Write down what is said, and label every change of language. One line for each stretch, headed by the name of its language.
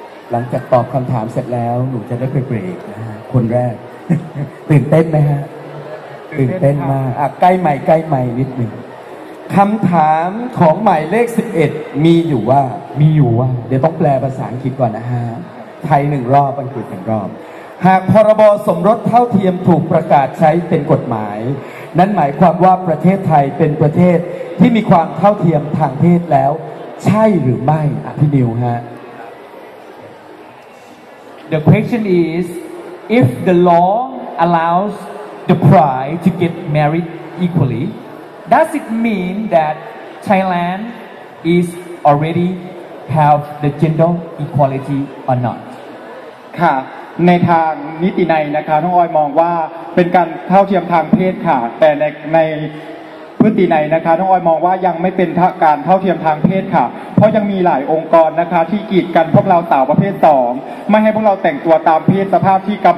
Thai: หลังจากตอบคำถามเสร็จแล้วหนูจะได้ไปเบรกนะคนแรก ตื่นเต้นไหมฮะตื่นเต้นมากใกล้ใหม่ใกล้ใหม่นิดหนึ่งคำถามของหมายเลข11มีอยู่ว่าเดี๋ยวต้องแปลภาษาอังกฤษก่อนนะฮะไทย1รอบอังกฤษ1รอบหากพรบสมรสเท่าเทียมถูกประกาศใช้เป็นกฎหมายนั้นหมายความว่าประเทศไทยเป็นประเทศที่มีความเท่าเทียมทางเพศแล้วใช่หรือไม่พี่นิวฮะ
English: The question is if the law allowsThe pride to get married equally. Does it mean that Thailand is already have the gender equality or not?
Thai: ค่ะ ในทางนิติในนะคะน้องออยมองว่าเป็นการเท่าเทียมทางเพศค่ะแต่ในพื้นที่ไหนนะคะน้องออยมองว่ายังไม่เป็นการเท่าเทียมทางเพศค่ะเพราะยังมีหลายองค์กรนะคะที่กีดกันพวกเราสาวประเภท2ไม่ให้พวกเราแต่งตัวตามเพศสภาพท